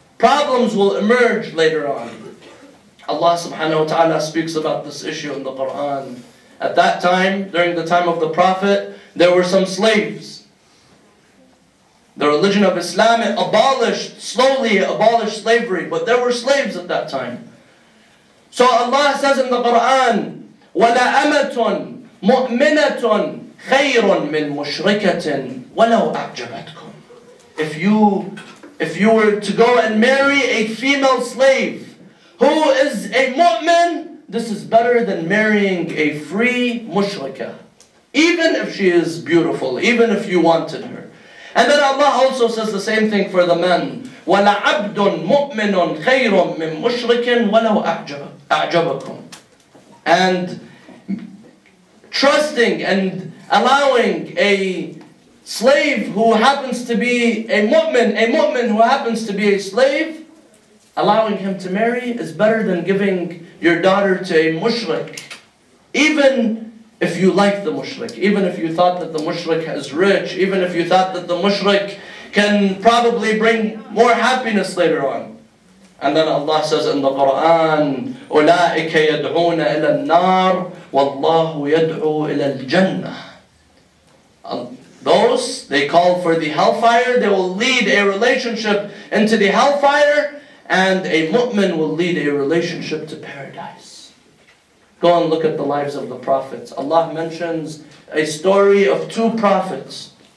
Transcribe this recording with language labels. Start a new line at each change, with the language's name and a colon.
English: Problems will emerge later on. Allah subhanahu wa ta'ala speaks about this issue in the Quran. At that time, during the time of the Prophet, there were some slaves. The religion of Islam, it abolished, slowly abolished slavery, but there were slaves at that time. So Allah says in the Quran,
Arabic: وَلَأَمَةٌ مُؤْمِنَةٌ خَيْرٌ مِنْ مُشْرِكَةٍ وَلَوْ أَعْجَبَتْكُمْ.
English: If you were to go and marry a female slave who is a mu'min, this is better than marrying a free mushrika. Even if she is beautiful, even if you wanted her. And then Allah also says the same thing for the men.
Arabic: وَلَعَبْدٌ مُؤْمِنٌ خَيْرٌ مِّن مُشْرِكٍ وَلَوْ أَعْجَبَكُمْ.
English: And trusting and allowing a slave who happens to be a mu'min who happens to be a slave, allowing him to marry is better than giving your daughter to a mushrik. Even if you like the mushrik, even if you thought that the mushrik is rich, even if you thought that the mushrik can probably bring more happiness later on. And then Allah says in the Quran,
Arabic: أُولَٰئِكَ يَدْعُونَ إِلَى النَّارِ وَاللَّهُ يَدْعُو إِلَى الْجَنَّةِ.
English: Those, they call for the hellfire, they will lead a relationship into the hellfire, and a mu'min will lead a relationship to paradise. Go and look at the lives of the prophets. Allah mentions a story of two prophets.